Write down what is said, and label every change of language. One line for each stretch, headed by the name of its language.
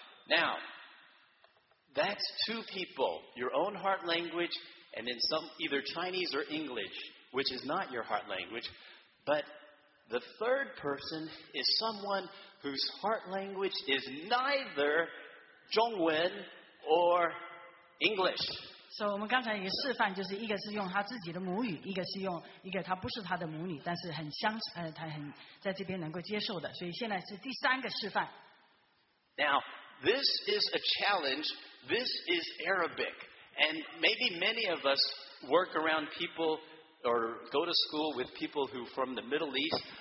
English: Now, that's two people, your own heart language, and in some either Chinese or English, which is not your heart language. But the third person is someone whose heart language is neither Zhongwen or English.
Chinese: So, 我们刚才一个示范就是一个是用他自己的母语，一个是用一个他不是他的母语，但是很相他很在这边能够接受的。所以现在是第三个示范。
English: Now, this is a challenge. This is Arabic. And maybe many of us work around people or go to school with people who are from the Middle East.